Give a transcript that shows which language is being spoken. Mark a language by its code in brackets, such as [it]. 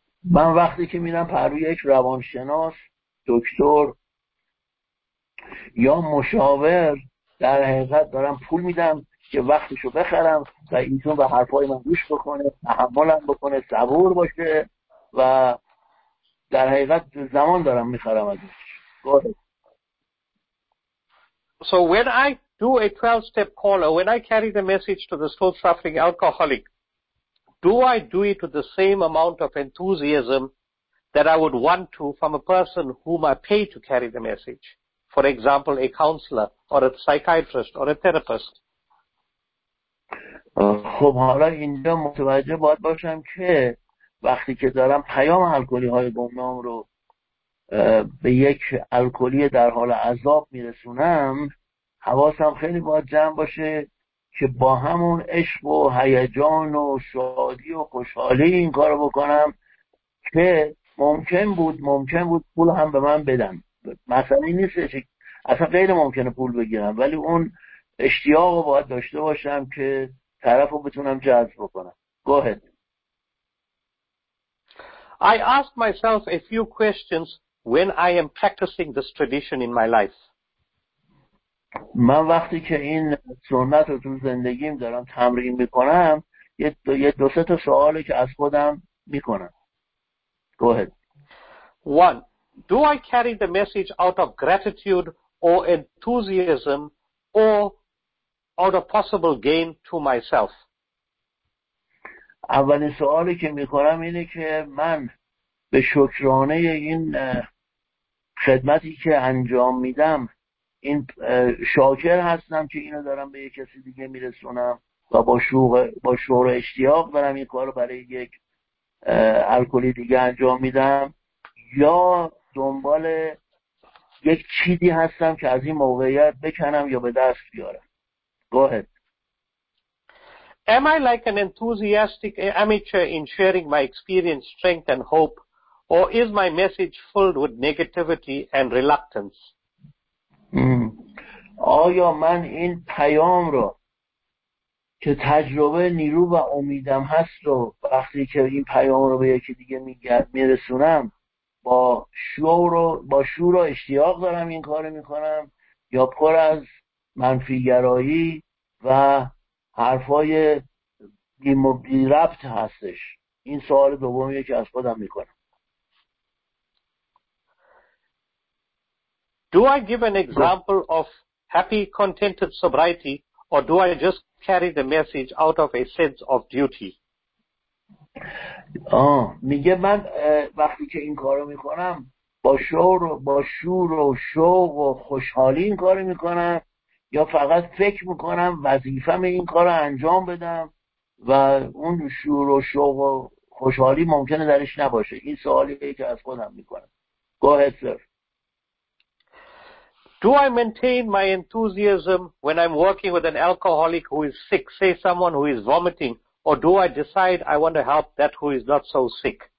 [fa] من وقتی که میرم پروی یک روانشناس، دکتر یا مشاور، در حقیقت دارم پول میدم که وقتشو بخرم و ایشون به حرفای من گوش بکنه، تحملم بکنه، صبور باشه و در حقیقت زمان دارم میخرم ازش. [en] So when I do a 12-step call, or when I carry the message to the soul-suffering alcoholic, do I do it with the same amount of enthusiasm that I would want to from a person whom I pay to carry the message? For example, a counselor, or a psychiatrist, or a therapist. [fa] خب حالا اینجا متوجه باید باشم که وقتی که دارم پیام الکلی های گمنام رو به یک الکلی در حال عذاب میرسونم، حواسم خیلی باید جمع باشه که با همون عشق و هیجان و شادی و خوشحالی این کار رو بکنم که ممکن بود پول هم به من بدن. مسئله نیست، اصلا غیر ممکنه پول بگیرم، ولی اون اشتیاق رو باید داشته باشم که طرف رو بتونم جذب بکنم. [en] Go ahead. I asked myself a few questions when I am practicing this tradition in my life. [fa] من وقتی که این سنت رو تو زندگیم دارم تمرین میکنم، یه دو سه تا سوالی که از خودم میکنم. [en] Go ahead. One, do I carry the message out of gratitude or enthusiasm or out of possible gain to myself? [fa] اولین سوالی که میکنم اینه که من به شکرانه این خدمتی که انجام میدم، این شاکر هستم که اینو دارم به یک کسی دیگه میرسونم و با شور و اشتیاق دارم این کارو برای یک الکلی دیگه انجام میدم، یا دنبال یک چیزی هستم که از این موقعیت بکنم یا به دست بیارم. [en] Go ahead. Am I like an enthusiastic amateur in sharing my experience, strength and hope, or is my message filled with negativity and reluctance? [fa] آیا من این پیام رو که تجربه، نیرو و امیدم هست رو وقتی که این پیام رو به یکی دیگه میرسونم با شور و اشتیاق دارم این کارو میکنم، یا پر از منفیگرایی و حرفای بی ربط هستش؟ این سوال دومیه که از خودم میکنم. [en] Do I give an example of happy, contented sobriety, or do I just carry the message out of a sense of duty? [fa] میگه من وقتی که این کارو میکنم با شور و شوق و خوشحالی این کارو میکنم، یا فقط فکر میکنم وظیفه‌م این کارو انجام بدم و اون شور و شوق و خوشحالی ممکنه درش نباشه؟ این سوالیه که از خودم میکنم. [en] Go ahead, sir. Do I maintain my enthusiasm when I'm working with an alcoholic who is sick, say someone who is vomiting, or do I decide I want to help that who is not so sick?